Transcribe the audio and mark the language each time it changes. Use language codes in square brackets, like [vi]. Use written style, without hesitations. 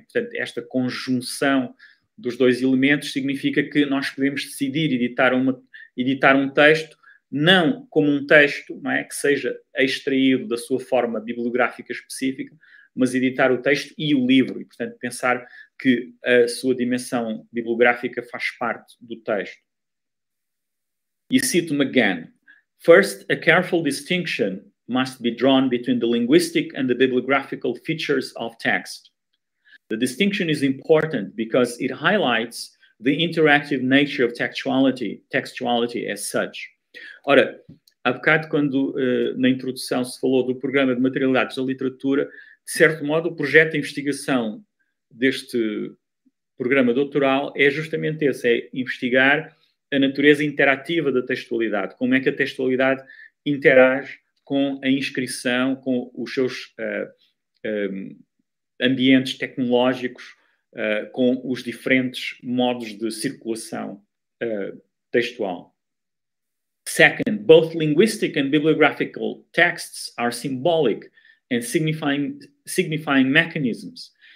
[pt] Portanto, esta conjunção dos dois elementos significa que nós podemos decidir editar um texto não como um texto, não é, que seja extraído da sua forma bibliográfica específica, mas editar o texto e o livro, e, portanto, pensar que a sua dimensão bibliográfica faz parte do texto. [en] E cito McGann: "First, a careful distinction must be drawn between the linguistic and the bibliographical features of text. The distinction is important because it highlights the interactive nature of textuality as such. [pt] Ora, há bocado quando na introdução se falou do programa de materialidades da literatura, de certo modo o projeto de investigação deste programa doutoral é justamente esse, é investigar a natureza interativa da textualidade, como é que a textualidade interage com a inscrição, com os seus ambientes tecnológicos, com os diferentes modos de circulação textual. [en] Second, both linguistic and bibliographical texts are symbolic and signifying mechanisms.